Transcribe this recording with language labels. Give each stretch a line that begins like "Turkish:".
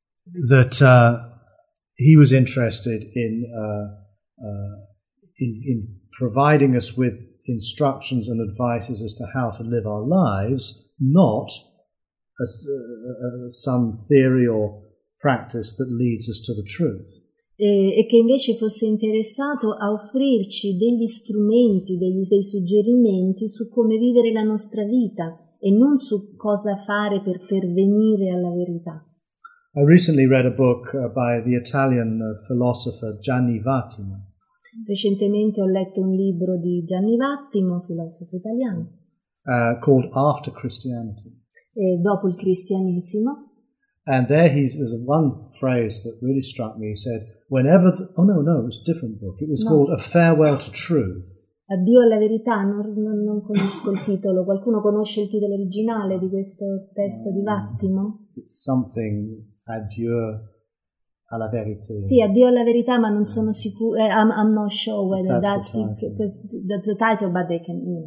English: He was interested in providing us with instructions and advices as to how to live our lives, not as some theory or practice that leads us to the truth.
Italian: E che invece fosse interessato a offrirci degli strumenti, dei suggerimenti su come vivere la nostra vita e non su cosa fare per pervenire alla verità.
English: I recently read a book by the Italian philosopher Gianni Vattimo.
Italian: Recentemente ho letto un libro di Gianni Vattimo, filosofo italiano,
English: called After Christianity.
Italian: Dopo il cristianesimo.
English: And there there's one phrase that really struck me. He said, whenever... it was a different book. It was called A Farewell to Truth.
Italian: Addio alla verità, non conosco il titolo. Qualcuno conosce il titolo originale di questo testo di Vattimo?
English: It's something, Addio alla verità.
Italian: Sì, addio alla verità, ma non sono sicuro.
English: I'm not sure whether that's the title, but they can...